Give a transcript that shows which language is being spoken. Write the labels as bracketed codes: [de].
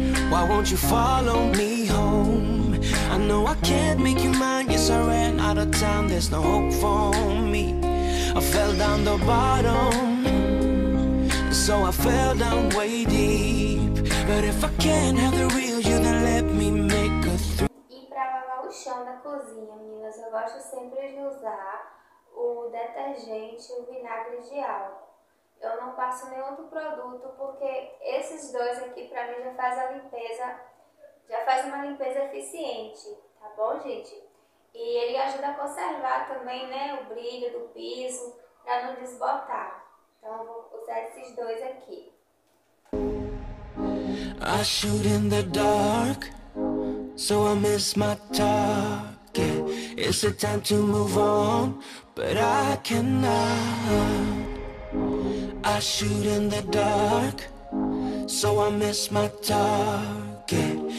[en] Why won't you follow me home? I know I can't make you mine. Yes, I ran out of time. There's no hope for me. I fell down the bottom. So I fell down way deep. But if I can't have the real you, then let me make a through. [pt] E pra lavar o chão da cozinha, meninas, eu gosto sempre de usar o detergente, o vinagre de álcool. Eu não passo nenhum outro produto, porque esses dois aqui, pra mim, já faz a limpeza, já faz uma limpeza eficiente, tá bom, gente? E ele ajuda a conservar também, né, o brilho do piso, pra não desbotar. Então, eu vou usar esses dois aqui. [en] I shoot in the dark, so I miss my target. It's the time to move on, but I cannot. I shoot in the dark, so I miss my target.